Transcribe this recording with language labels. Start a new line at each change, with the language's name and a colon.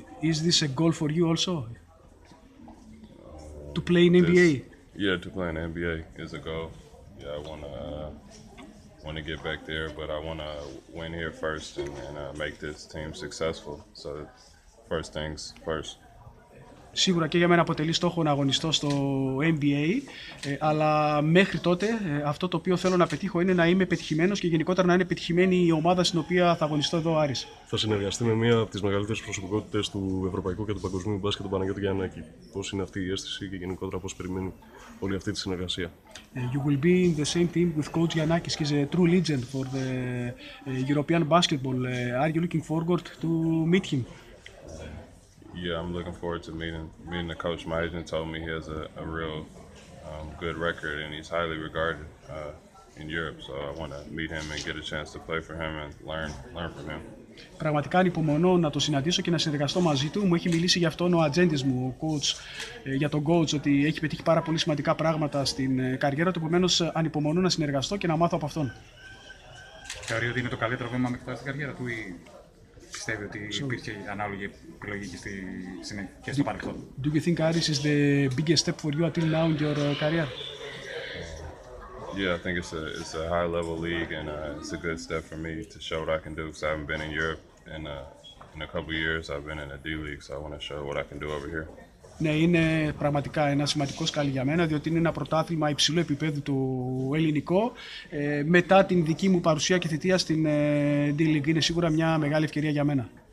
English: Is this a goal for you also? To play in NBA? Yeah, to play in the NBA is a goal. Yeah, I want to get back there, but I want to win here first and make this team successful. So, first things first.
Greek: Σίγουρα και για μένα αποτελεί στόχο να αγωνιστώ στο NBA, αλλά μέχρι τότε αυτό το οποίο θέλω να πετύχω είναι να είμαι πετυχημένος και γενικότερα να είναι πετυχημένη η ομάδα στην οποία θα αγωνιστώ εδώ, Άρης. Θα συνεργαστεί με μία από τις μεγαλύτερες προσωπικότητες του ευρωπαϊκού και του παγκοσμίου μπάσκετ, τον Παναγιώτη Γιαννάκη. Πώς είναι αυτή η αίσθηση και γενικότερα πώς περιμένει όλη αυτή τη συνεργασία?
English: You will be in the same team with Coach Giannakis. He's a true legend for the European basketball. Are you looking forward to meet him? Yeah, I'm looking forward to meeting the coach. My agent told me he has a real good record and he's highly regarded in Europe. So I want to meet him and get a chance to play for him and learn from him.
Greek: Πραγματικά ανυπομονώ να το συναντήσω και να συνεργαστώ μαζί του. Μου έχει μιλήσει γι' αυτόν ο ατζέντης μου, ο coach, για τον coach, ότι έχει πετύχει πάρα πολύ σημαντικά πράγματα στην καριέρα του. Επομένως, ανυπομονώ να συνεργαστώ και να μάθω από αυτόν. Θεωρεί ότι είναι το καλύτερο βήμα μέχρι τώρα στην καριέρα του ή πιστεύει ότι υπήρχε ανάλογη επιλογή και στο παρελθόν?
English: Do you think Aris is the biggest step for you until now in your career? Yeah, I think it's a high level league and it's a good step for me to show what I can do because I haven't been in Europe in a couple of years. I've been in a D league, so I want to show what I can do over here.
Greek: Ναι, είναι πραγματικά ένα σημαντικό σκάλι για μένα, διότι είναι ένα πρωτάθλημα υψηλού επίπεδου το ελληνικό. Μετά την δική μου παρουσία και θητεία στην D league, είναι σίγουρα μια μεγάλη ευκαιρία για μένα.